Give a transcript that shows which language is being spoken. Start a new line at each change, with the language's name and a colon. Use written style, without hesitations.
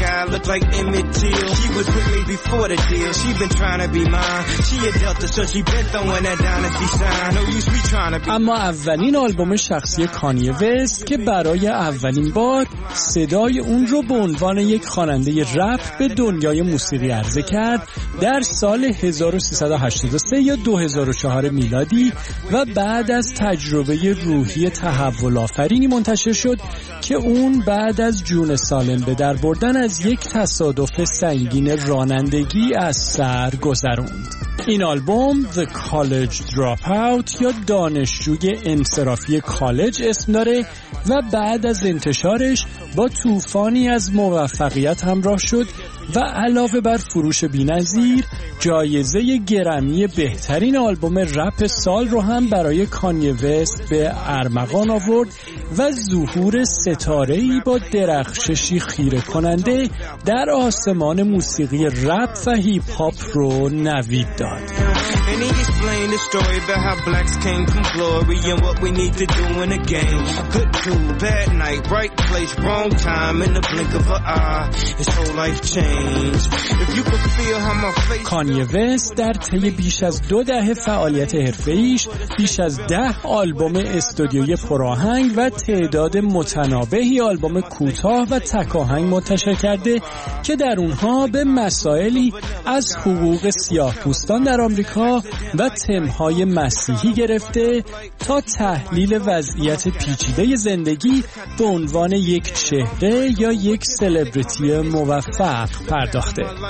English: Looked like Emmett Till. She was with me before the deal. She been trying to be mine. She a Delta, so she been throwing that dynasty sign. No use me trying to be.
Persian: اما اولین آلبوم شخصی کانیه وست که برای اولین بار صدای اون رو به عنوان یک خواننده رپ به دنیای موسیقی عرضه کرد در سال 1383 یا 2004 میلادی و بعد از تجربه روحی تحول آفرینی منتشر شد که اون بعد از جون سالم به در بردن از یک تصادف سنگین رانندگی از سر گذروند. این آلبوم The College Dropout یا دانشجوی انصرافی کالج اسم داره و بعد از انتشارش با طوفانی از موفقیت همراه شد و علاوه بر فروش بی‌نظیر جایزه گرمی بهترین آلبوم رپ سال رو هم برای کانیه وست به ارمغان آورد و ظهور ستاره‌ای با درخششی خیره کننده در آسمان موسیقی رپ و هیپ هاپ رو نوید داد.
English: And he explained the story about how blacks came from glory and what we need to do in a game. Good cool, bad night, right place, wrong time, in the blink of an eye, his whole life changed. If you could feel how my face.
Persian: کانیه وست در طی بیش از دو دهه فعالیت حرفه‌ایش بیش از 10 آلبوم استودیویی پرآهنگ و تعداد متنابهی آلبوم کوتاه و تکاهنگ منتشر کرده که در اونها به مسائلی از حقوق سیاه‌پوست در آمریکا و تم‌های مسیحی گرفته تا تحلیل وضعیت پیچیده زندگی به عنوان یک چهره یا یک سلبریتی موفق پرداخته.